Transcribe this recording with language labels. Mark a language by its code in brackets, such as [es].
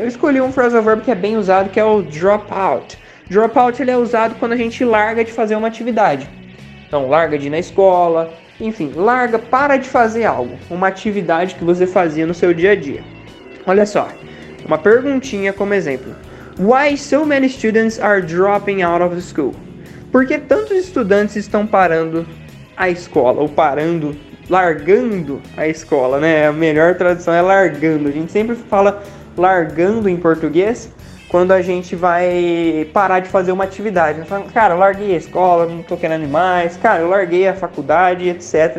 [pt] Eu escolhi um phrasal verb que é bem usado, que é o drop out. Drop out, ele é usado quando a gente larga de fazer uma atividade. Então, larga de ir na escola, enfim, larga, para de fazer algo. Uma atividade que você fazia no seu dia a dia. Olha só, uma perguntinha como exemplo. [en] Why so many students are dropping out of the school? [pt] Por que tantos estudantes estão parando a escola, ou parando, largando a escola, né? A melhor tradução é largando. A gente sempre fala largando em português quando a gente vai parar de fazer uma atividade. Cara, eu larguei a escola, não tô querendo mais. Cara, eu larguei a faculdade, etc.